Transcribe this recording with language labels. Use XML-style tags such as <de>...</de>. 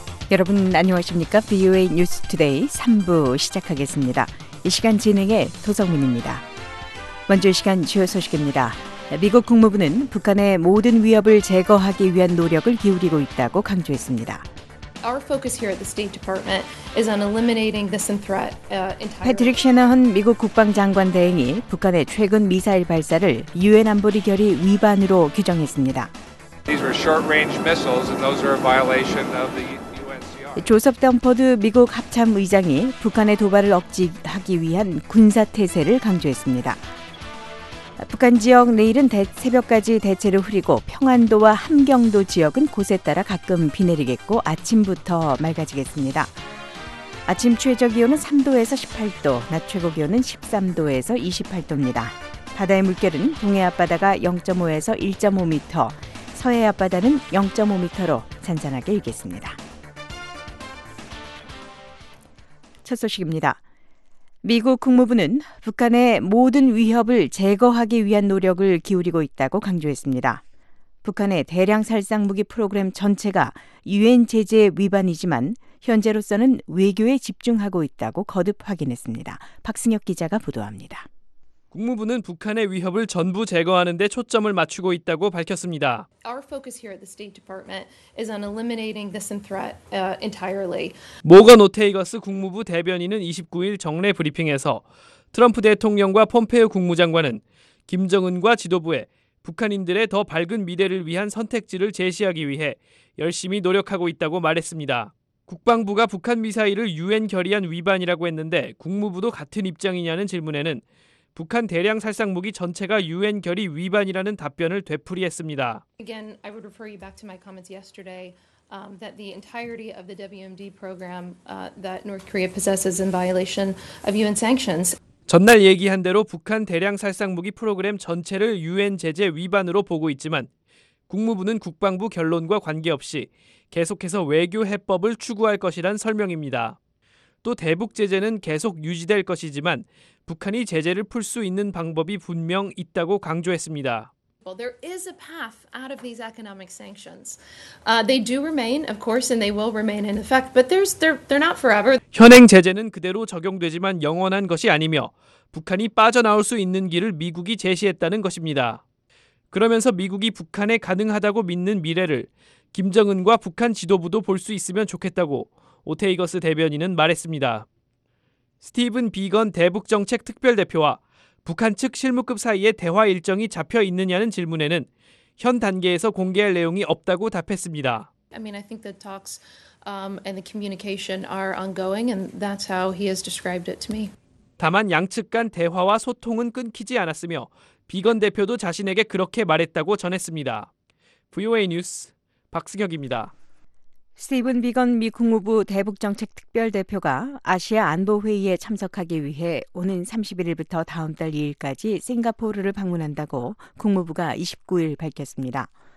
<ko>여러분 안녕하십니까? VOA 뉴스 투데이 3부 시작하겠습니다. 이 시간 진행의 도성민입니다. 먼저 이 시간 주요 소식입니다. 미국 국무부는 북한의 모든 위협을 제거하기 위한 노력을 기울이고 있다고 강조했습니다.</ko> <en>Our focus here at the State Department is on eliminating this threat entirely.</en> <ko>패트릭 셰너헌 미국 국방장관 대행이 북한의 최근 미사일 발사를 유엔 안보리 결의 위반으로 규정했습니다.</ko> <en>These were short-range missiles and those are a violation of the UNCR.</en> <ko>조셉 덤퍼드 미국 합참 의장이 북한의 도발을 억제하기 위한 군사 태세를 강조했습니다. 북한 지역 내일은 새벽까지 대체로 흐리고 평안도와 함경도 지역은 곳에 따라 가끔 비 내리겠고 아침부터 맑아지겠습니다. 아침 최저 기온은 3도에서 18도, 낮 최고 기온은 13도에서 28도입니다. 바다의 물결은 동해 앞바다가 0.5에서 1.5m, 서해 앞바다는 0.5m로 잔잔하게 일겠습니다. 첫 소식입니다. 미국 국무부는 북한의 모든 위협을 제거하기 위한 노력을 기울이고 있다고 강조했습니다. 북한의 대량 살상 무기 프로그램 전체가 유엔 제재 위반이지만 현재로서는 외교에 집중하고 있다고 거듭 확인했습니다. 박승혁 기자가 보도합니다. 국무부는 북한의 위협을 전부 제거하는 데 초점을 맞추고 있다고 밝혔습니다.</ko> <en>Our focus here at the State Department is on eliminating this threat entirely.</en> <ko>모건 오테이거스 국무부 대변인은 29일 정례 브리핑에서 트럼프 대통령과 폼페이오 국무장관은 김정은과 지도부에 북한인들의 더 밝은 미래를 위한 선택지를 제시하기 위해 열심히 노력하고 있다고 말했습니다. 국방부가 북한 미사일을 유엔 결의안 위반이라고 했는데 국무부도 같은 입장이냐는 질문에는 북한 대량 살상 무기 전체가 유엔 결의 위반이라는 답변을 되풀이했습니다.</ko> <en>Again, I would refer you back to my comments yesterday that the entirety of the WMD program that North Korea possesses in violation of UN sanctions.</en> <ko>전날 얘기한 대로 북한 대량 살상 무기 프로그램 전체를 유엔 제재 위반으로 보고 있지만 국무부는 국방부 결론과 관계없이 계속해서 외교 해법을 추구할 것이란 설명입니다. 또 대북 제재는 계속 유지될 것이지만 북한이 제재를 풀 수 있는 방법이 분명 있다고 강조했습니다.</ko> <en>Well, there is a path out of these economic sanctions. They do remain, of course, and they will remain in effect, but they're not forever.</en> <ko>현행 제재는 그대로 적용되지만 영원한 것이 아니며 북한이 빠져나올 수 있는 길을 미국이 제시했다는 것입니다. 그러면서 미국이 북한에 가능하다고 믿는 미래를 김정은과 북한 지도부도 볼 수 있으면 좋겠다고 오테이거스 대변인은 말했습니다. 스티븐 비건 대북정책특별대표와 북한 측 실무급 사이의 대화 일정이 잡혀 있느냐는 질문에는 현 단계에서 공개할 내용이 없다고 답했습니다.</ko> <en>I mean, I think the talks and the communication are ongoing, and that's how he has described it to me.</en> <ko>다만 양측 간 대화와 소통은 끊기지 않았으며 비건 대표도 자신에게 그렇게 말했다고 전했습니다. VOA 뉴스 박승혁입니다. 스티븐 비건 미 국무부 대북정책특별대표가 아시아 안보회의에 참석하기 위해 오는 31일부터 다음 달 2일까지 싱가포르를 방문한다고 국무부가 29일 밝혔습니다.</ko>